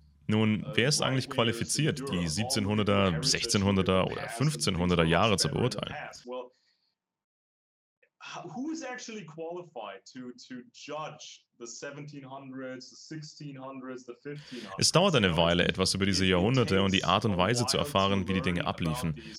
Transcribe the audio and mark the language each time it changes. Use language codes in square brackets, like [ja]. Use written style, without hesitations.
[de] Nun, wer ist eigentlich qualifiziert, die 1700er, 1600er oder 1500er Jahre zu beurteilen? [en] who is actually qualified to judge the 1700s, the 1600s, the 1500s? [de] Es dauert eine Weile, etwas über diese Jahrhunderte und die Art und Weise zu erfahren, wie die Dinge abliefen.